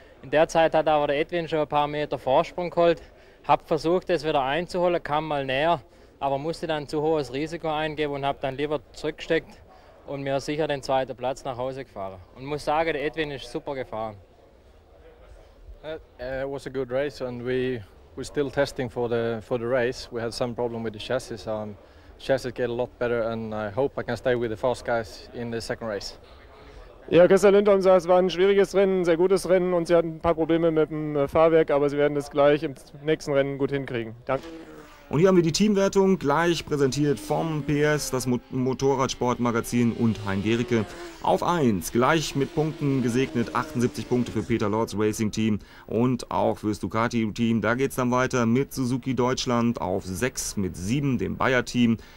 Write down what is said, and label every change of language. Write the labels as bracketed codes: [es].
[de] In der Zeit hat aber der Edwin schon ein paar Meter Vorsprung geholt. Hab versucht, es wieder einzuholen, kam mal näher, aber musste dann zu hohes Risiko eingeben und habe dann lieber zurückgesteckt und mir sicher den 2. Platz nach Hause gefahren. Und muss sagen, der Edwin ist super gefahren. [en] It was a good race, and we're still testing for the race. We had some problem with the chassis. Chassis get a lot better, and I hope I can stay with the fast guys in the second race. [de] Ja, Christian Lindholm sagt, es war ein schwieriges Rennen, ein sehr gutes Rennen, und sie hatten ein paar Probleme mit dem Fahrwerk, aber sie werden das gleich im nächsten Rennen gut hinkriegen. Danke. Und hier haben wir die Teamwertung, gleich präsentiert vom PS, das Motorradsportmagazin und Hein Gericke. Auf 1, gleich mit Punkten gesegnet, 78 Punkte für Peter Lords Racing Team und auch fürs Ducati Team. Da geht es dann weiter mit Suzuki Deutschland auf 6 mit 7, dem Bayer Team.